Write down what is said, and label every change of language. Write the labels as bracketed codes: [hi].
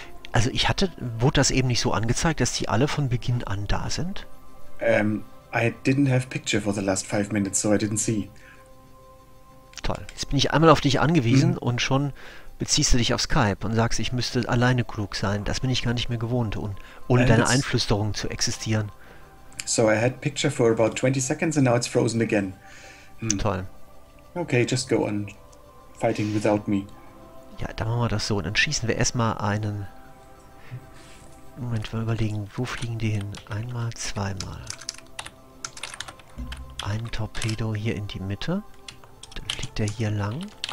[de] Also ich hatte, wurde das eben nicht so angezeigt, dass die alle von Beginn an da sind? [en] I didn't have picture for the last 5 minutes, so I didn't see. [de] Toll. Jetzt bin ich einmal auf dich angewiesen und schon beziehst du dich auf Skype und sagst, ich müsste alleine klug sein. Das bin ich gar nicht mehr gewohnt, ohne deine Einflüsterung zu existieren. [en] So I had picture for about 20 seconds and now it's frozen again. [de] Toll. [en] Okay, just go on fighting without me. [de] Ja, dann machen wir das so. Und dann schießen wir erstmal einen... Moment, mal überlegen, wo fliegen die hin? Einmal, zweimal. Ein Torpedo hier in die Mitte. Dann fliegt der hier lang.